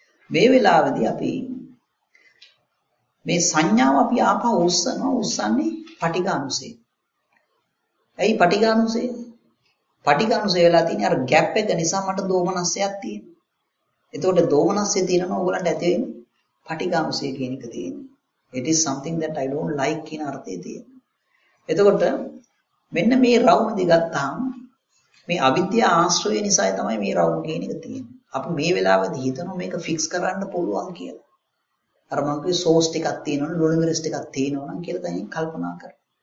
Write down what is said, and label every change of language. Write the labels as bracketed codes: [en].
[si] මේ වෙලාවේදී අපි මේ සංඥාව අපි ආපහ උස්සනවා. උස්සන්නේ පටිගානුසේ. ඇයි පටිගානුසේ? පටිගානුසේ වෙලා තියෙන්නේ අර ගැප් එක නිසා මට දෝමනස්සයක් තියෙනවා. එතකොට දෝමනස්සය තියෙනවා ඕගලන්ට ඇති වෙන්නේ පටිගානුසේ කියන එක තියෙනවා. [en] It is something that I don't like [si] කියන අර්ථය තියෙනවා. එතකොට මෙන්න මේ රවුන්ඩ් ගත්තාම මේ අවිද්‍යා ආශ්‍රය නිසායි තමයි මේ රවුම් කියන එක තියෙන්නේ. අපි මේ වෙලාවේදී හිතනවා මේක ෆික්ස් කරන්න පුළුවන් කියලා. අර මොකද සෝස් ටිකක් තියෙනවනම් ලොනිවර්ස් ටිකක් තියෙනවනම් කියලා දැන් කල්පනා කරා.